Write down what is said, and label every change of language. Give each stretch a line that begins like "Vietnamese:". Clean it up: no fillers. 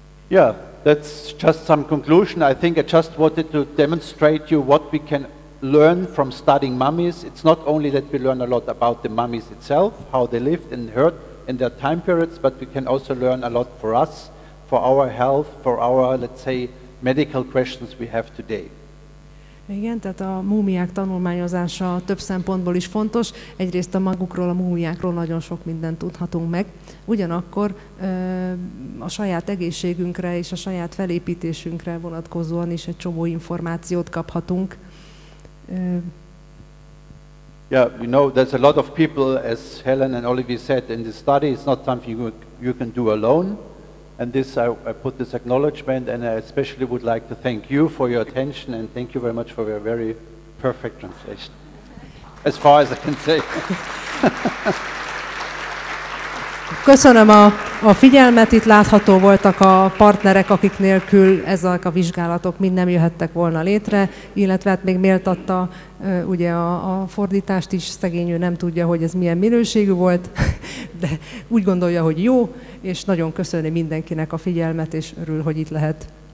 English: Yeah, that's just some conclusion. I think I just wanted to demonstrate you what we can learn from studying mummies. It's not only that we learn a lot about the mummies itself, how they lived and hurt in their time periods, but we can also learn a lot for us, for our health, for our, let's say, medical questions we have today.
Hungarian: Igen, tehát a múmiák tanulmányozása több szempontból is fontos. Egyrészt a magukról, a múmiákról nagyon sok mindent tudhatunk meg. Ugyanakkor a saját egészségünkre és a saját felépítésünkre vonatkozóan is egy csomó információt kaphatunk.
English: Yeah, you know, there's a lot of people, as Helen and Olivier said in the study, it's not something you can do alone. And this, I put this acknowledgement, and I especially would like to thank you for your attention, and thank you very much for your very perfect translation, as far as I can say.
Hungarian: Köszönöm a figyelmet, itt látható voltak a partnerek, akik nélkül ezek a vizsgálatok mind nem jöhettek volna létre, illetve hát még méltatta ugye a fordítást is, szegény ő nem tudja, hogy ez milyen minőségű volt, de úgy gondolja, hogy jó, és nagyon köszönöm mindenkinek a figyelmet, és örül, hogy itt lehet.